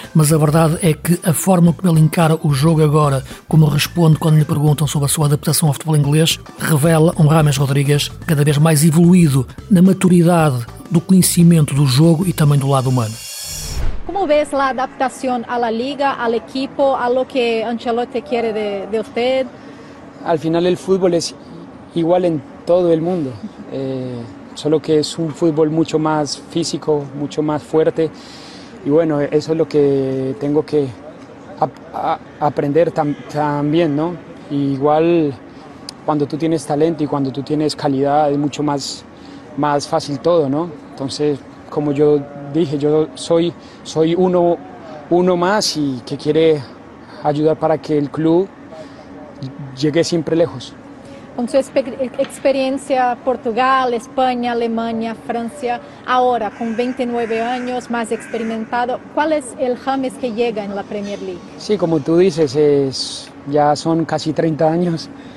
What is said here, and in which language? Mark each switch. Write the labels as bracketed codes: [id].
[pt] Mas a verdade é que a forma como ele encara o jogo agora, como responde quando lhe perguntam sobre a sua adaptação ao futebol inglês, revela um James Rodrigues cada vez mais evoluído na maturidade do conhecimento do jogo e também do lado humano. Como vês a adaptação à La Liga, ao equipo, [es] a lo que [pt] Ancelotti quer de você? Al final, o futebol é igual em todo o mundo. [es] Solo que es un fútbol mucho más físico, mucho más fuerte. Y bueno, eso es lo que tengo que aprender también, ¿no? Y igual, cuando tú tienes talento y cuando tú tienes calidad, es mucho más fácil todo, ¿no? Entonces, como yo dije, yo soy uno más y que quiere ayudar para que el club llegue siempre lejos. [pt] Com sua experiência, Portugal, Espanha, Alemanha, França, agora com 29 anos, mais experimentado, qual é o James que chega na Premier League? Sim, [es] sí, como tu dices, [pt] já são quase 30 anos.